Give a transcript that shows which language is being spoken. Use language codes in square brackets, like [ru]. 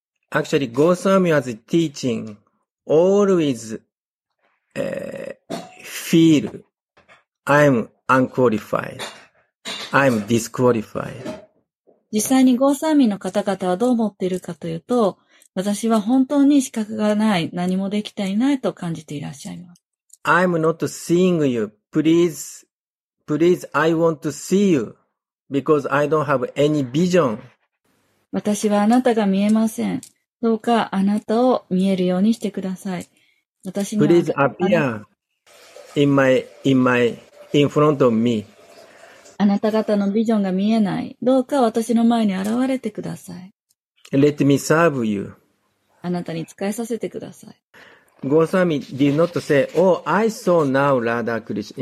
[en] Actually, Goswami was teaching always, feel I'm unqualified. I'm disqualified. [ja] 実際にゴーサーミの方々はどう思っているかというと、私は本当に資格がない、何もできていないと感じていらっしゃいます。 [en] I'm not seeing you. Please, please, I want to see you because I don't have any vision. [ja] 私はあなたが見えません。どうかあなたを見えるようにしてください。私には [en] Please appear in front of me. [ja] あなた方のビジョンが見えない。どうか私の前に現れてください。 [en] Let me serve you. [ja] あなたに仕えさせてください。 [en] Goswami did not say, Oh, I saw now Radha Krishna.